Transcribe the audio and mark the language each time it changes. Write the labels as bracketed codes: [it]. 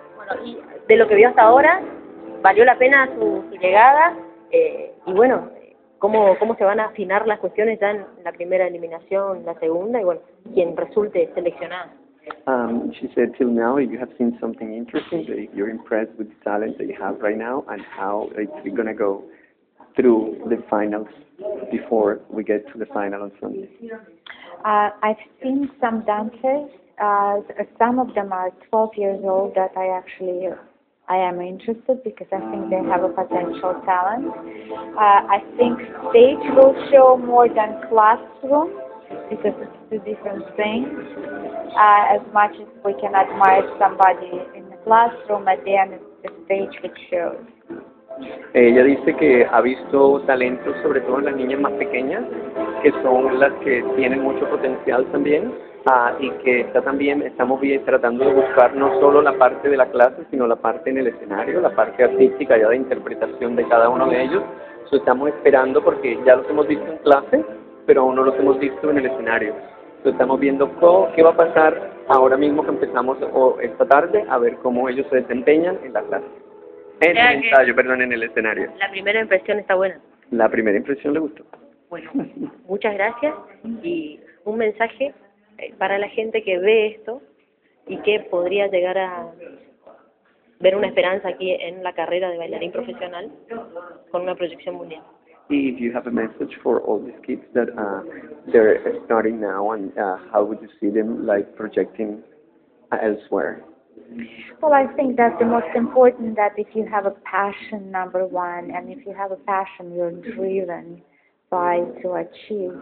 [es] Bueno, y de lo que vio hasta ahora, ¿valió la pena su llegada? Y bueno, ¿Cómo se van a afinar las cuestiones ya en la primera eliminación, la segunda, y bueno, quien resulte seleccionado? [en] She said, till now, you have seen something interesting, that you're impressed with the talent that you have right now, and how it's going to go through the finals before we get to the final on Sunday. I've seen some dancers, some of them are 12 years old that I am interested because I think they have a potential talent. I think stage will show more than classroom because it's two different things. As much as we can admire somebody in the classroom, at the end it's the stage which shows. [es] Ella dice que ha visto talento sobre todo en las niñas más pequeñas, que son las que tienen mucho potencial también. Y que estamos bien tratando de buscar no solo la parte de la clase, sino la parte en el escenario, la parte artística ya de interpretación de cada uno de ellos. So, estamos esperando porque ya los hemos visto en clase, pero aún no los hemos visto en el escenario. So, estamos viendo qué va a pasar ahora mismo que empezamos esta tarde, a ver cómo ellos se desempeñan en la clase. En el escenario. La primera impresión está buena. La primera impresión le gustó. Bueno, muchas gracias y un mensaje para la gente que ve esto y que podría llegar a ver una esperanza aquí en la carrera de bailarín profesional con una proyección mundial. [en] If you have a message for all these kids that they're starting now and how would you see them like projecting elsewhere? Well, I think that the most important that if you have a passion, number one, and if you have a passion, you're driven by to achieve.